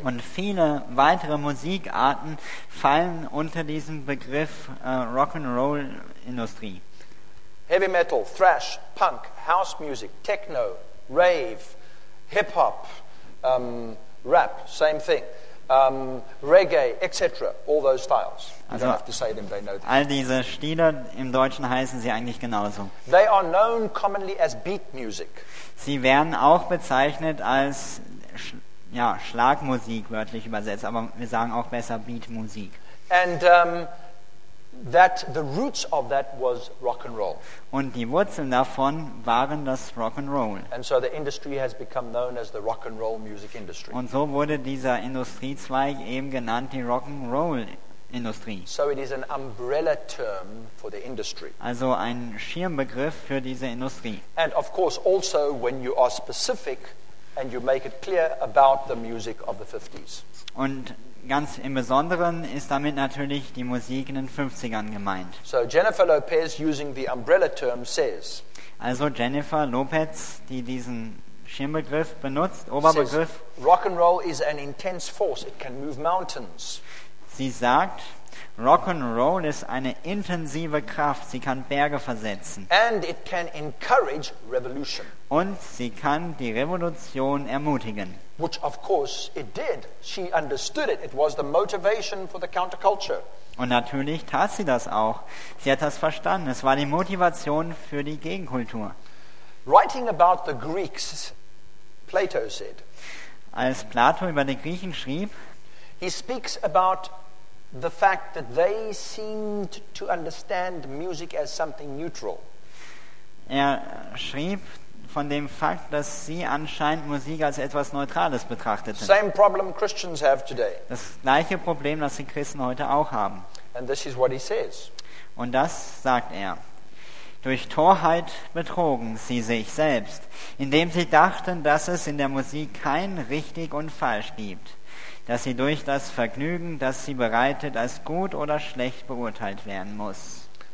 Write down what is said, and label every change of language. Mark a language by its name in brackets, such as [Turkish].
[German] Und viele weitere Musikarten fallen unter diesen Begriff Rock and Roll Industrie. [English] Heavy metal, thrash, punk, house music, techno, rave, hip hop, rap, same thing. Reggae, etc. All those styles. Also, don't have to say them, they know them. [German] All diese Stile im Deutschen heißen sie eigentlich genauso. [English] They are known commonly as beat music. [German] Sie werden auch bezeichnet als Schlagmusik, wörtlich übersetzt, aber wir sagen auch besser Beat Musik. [English] And that the roots of that was rock and roll. [German] Und die Wurzeln davon waren das Rock and Roll. [English] And so the industry has become known as the rock and roll music industry. [German] Und so wurde dieser Industriezweig eben genannt die Rock and Roll Industrie. [English] So it is an umbrella term for the industry. [German] Also ein Schirmbegriff für diese Industrie. [English] And of course also when you are specific and you make it clear about the music of the 50s. [German] Und ganz im Besonderen ist damit natürlich die Musik in den 50ern gemeint. [English] So Jennifer Lopez using the umbrella term says. [German] Also Jennifer Lopez, die diesen Schirmbegriff benutzt, Oberbegriff. [English] Says, rock and roll is an intense force. It can move mountains. [German] Sie sagt, rock and roll ist eine intensive Kraft. Sie kann Berge versetzen. [English] And it can encourage revolution. [German] Und sie kann die Revolution ermutigen. [English] Which of course it did. She understood it. It was the motivation for the counterculture. [German] Und natürlich tat sie das auch. Sie hat das verstanden. Es war die Motivation für die Gegenkultur. [English] Writing about the Greeks, Plato said. [German] Als Plato über die Griechen schrieb, [English] he speaks about the fact that they seemed to understand music as something neutral. [German] Er schrieb von dem Fakt, dass sie anscheinend Musik als etwas Neutrales betrachteten. [English] Same problem Christians have today. [German] Das gleiche Problem, das die Christen heute auch haben. [English] And this is what he says. [German] Und das sagt er. durch Torheit betrogen sie sich selbst, indem sie dachten, dass es in der Musik kein richtig und falsch gibt, dass sie durch das Vergnügen, das sie bereitet, als gut oder schlecht beurteilt werden muss.